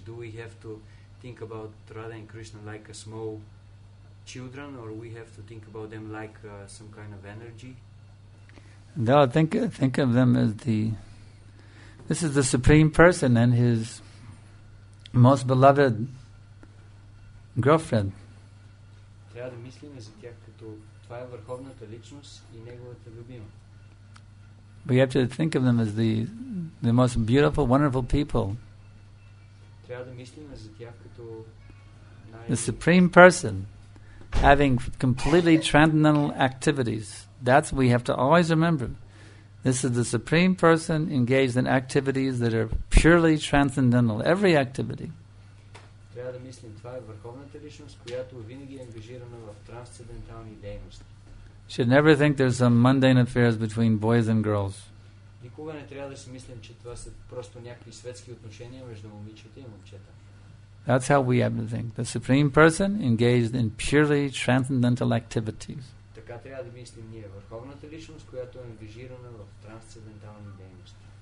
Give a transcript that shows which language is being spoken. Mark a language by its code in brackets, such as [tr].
[en] Do we have to think about Radha and Krishna like a small children, or we have to think about them like some kind of energy? No, think of them as the, this is the Supreme Person and His most beloved girlfriend. [bg] Трябва да мислим за тях като това е върховната личност и неговата любима. [en] We have to think of them as the most beautiful, wonderful people. [bg] Трябва да мислим за тях като [en] the Supreme Person having completely transcendental activities. That's what we have to always remember. This is the Supreme Person engaged in activities that are purely transcendental, every activity. [bg] Трябва да мислим, това е върховната личност, която винаги е ангажирана в трансцендентални дейности. [en] Should never think there's some mundane affairs between boys and girls. [bg] Никога не трябва да си мислим, че това са просто някакви светски отношения между момичета и момчета. [en] That's how we have to think. The Supreme Person engaged in purely transcendental activities. [bg] Така трябва да мислим ние, върховната личност, която е ангажирана в трансцендентални дейности.